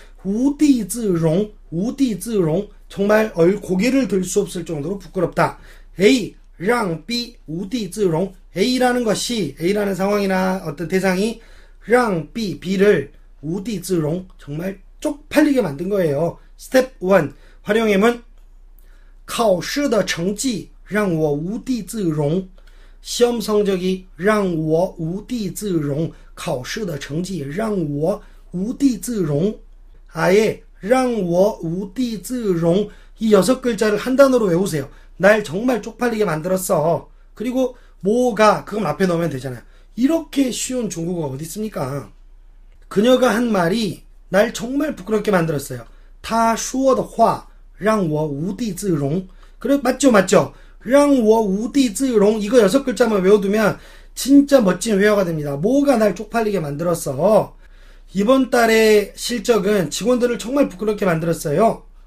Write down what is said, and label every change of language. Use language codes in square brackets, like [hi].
[zh] 无地自容.无地自容. [ko] 정말 고개를 들 수 없을 정도로 부끄럽다. [zh] A. 让 B. 无地自容. [ko] A라는 것이 A라는 상황이나 어떤 대상이 让 B. B를 无地自容 정말 쪽팔리게 만든 거예요. 스텝 1 활용해문 [zh] 考试的成绩让我无地自容. [ko] 시험 성적이 [zh] 让我无地自容. 考试的成绩让我无地自容. [ko] 아예 [zh] 让我无地自容 [ko] 이 여섯 글자를 한 단어로 외우세요. 날 정말 쪽팔리게 만들었어. 그리고 뭐가 그건 앞에 넣으면 되잖아요. 이렇게 쉬운 중국어가 어디 있습니까? 그녀가 한 말이 날 정말 부끄럽게 만들었어요. [zh] 她说的话让我无地自容. [ko] 그래 맞죠 맞죠. [zh] 让我无地自容. [ko] 이거 여섯 글자만 외워두면 진짜 멋진 회화가 됩니다. 뭐가 날 쪽팔리게 만들었어. 이번 달의 실적은 직원들을 정말 부끄럽게 만들었어요.